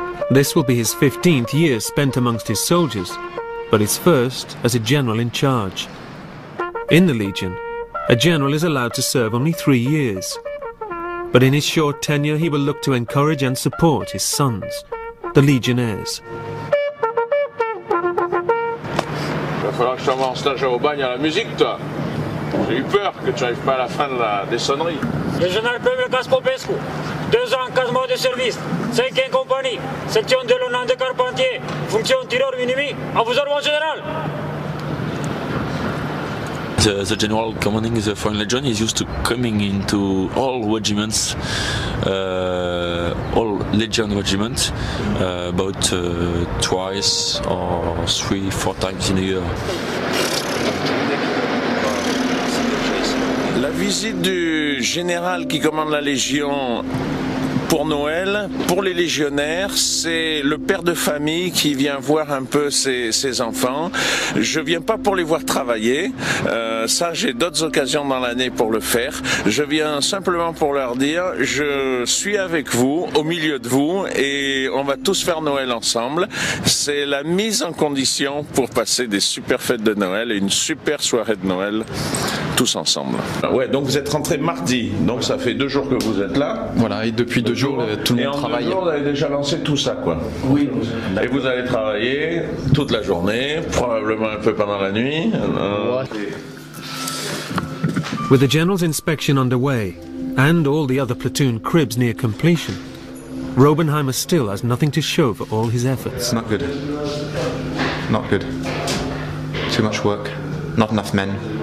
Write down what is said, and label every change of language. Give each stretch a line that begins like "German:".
English: This will be his 15th year spent amongst his soldiers, but his first as a general in charge. In the Legion, a general is allowed to serve only 3 years. But in his short tenure, he will look to encourage and support his sons, the Legionnaires.
French: Il va falloir que je t'envoie en stage à Aubagne à la musique, toi. J'ai eu peur que tu arrives pas à la fin de la sonnerie. Le général Pavel Caspopescu, 2 ans, 4 mois de service, 5e compagnie, section de l'honneur de Carpentier, fonction tireur minimi, à vous ordre, mon général.
English: The general commanding the Foreign Legion is used to coming into all regiments, all Legion regiments, about twice or 3-4 times in a year.
French: La visite du général qui commande la Légion pour Noël, pour les légionnaires, c'est le père de famille qui vient voir un peu ses enfants. Je viens pas pour les voir travailler, ça j'ai d'autres occasions dans l'année pour le faire. Je viens simplement pour leur dire, je suis avec vous, au milieu de vous, et on va tous faire Noël ensemble. C'est la mise en condition pour passer des super fêtes de Noël et une super soirée de Noël. Tous ensemble. Ouais, donc vous êtes rentré mardi, donc ça fait 2 jours que vous êtes là. Voilà, et depuis 2 jours, tout le monde travaille. Et en 2 jours, vous avez déjà lancé tout ça, quoi. Oui. D'accord. Et vous allez travailler toute la journée, probablement un peu pendant la nuit. Ouais.
English: With the general's inspection underway, and all the other platoon cribs near completion, Robenheimer still has nothing to show for all his efforts. It's not good. Not good. Too much work. Not enough men.